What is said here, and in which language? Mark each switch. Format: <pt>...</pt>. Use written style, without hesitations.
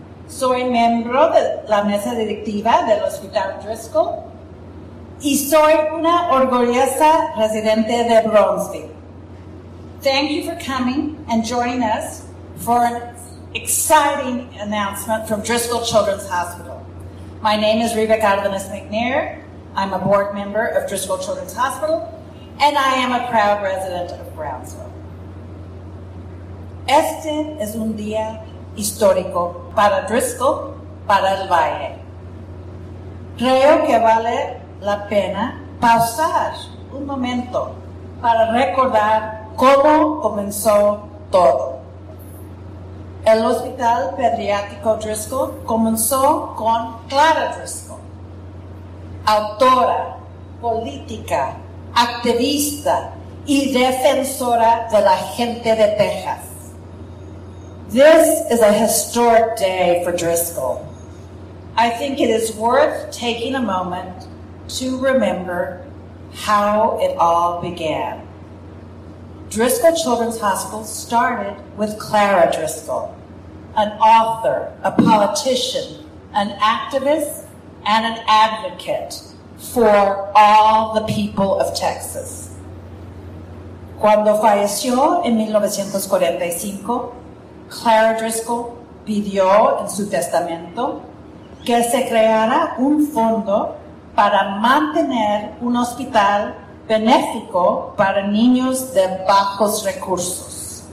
<es>Soy miembro de la mesa directiva del Hospital Driscoll y soy una orgullosa residente de Bronzeville.</es> <en>Thank you for coming and joining us for an exciting announcement from Driscoll Children's Hospital. My name is Riva Cárdenas McNair. I'm a board member of Driscoll Children's Hospital, and I am a proud resident of Brownsville.</en> <es>Este es un día histórico para Driscoll, para el Valle. Creo que vale la pena pausar un momento para recordar cómo comenzó todo. El Hospital Pediátrico Driscoll comenzó con Clara Driscoll, autora, política, activista y defensora de la gente de Texas.</es> <en>This is a historic day for Driscoll. I think it is worth taking a moment to remember how it all began. Driscoll Children's Hospital started with Clara Driscoll, an author, a politician, an activist, and an advocate for all the people of Texas.</en> <es>Cuando falleció en 1945, Clara Driscoll pidió en su testamento que se creara un fondo para mantener un hospital benéfico para niños de bajos recursos.</es>